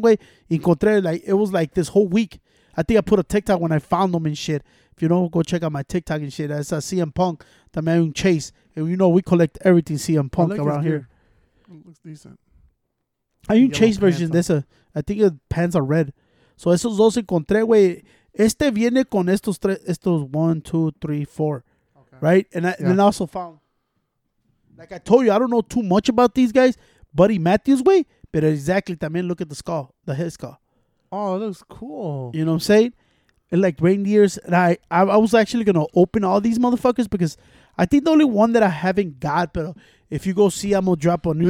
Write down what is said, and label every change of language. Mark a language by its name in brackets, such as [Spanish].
[English] Way, [Spanish] encontré [English] like it was like this whole week. I think I put a TikTok when I found them and shit. If you don't, go check out my TikTok and shit. That's a CM Punk, the man chase, and you know we collect everything CM Punk around here. It looks decent. [Spanish] Hay un [English] Chase version, this, I think the pants are red. [Spanish] So esos dos encontré, güey. Este viene con estos tres, estos 1, 2, 3, 4, okay. [English] Right? And I also found, like I told you, I don't know too much about these guys. Buddy Matthews, [Spanish] güey, [English] but exactly, [Spanish] también [English] look at the skull, the head skull. Oh, that looks cool. You know what I'm saying? And like reindeers, and I was actually going to open all these motherfuckers because I think the only one that I haven't got, but if you go see, I'm going to drop a new.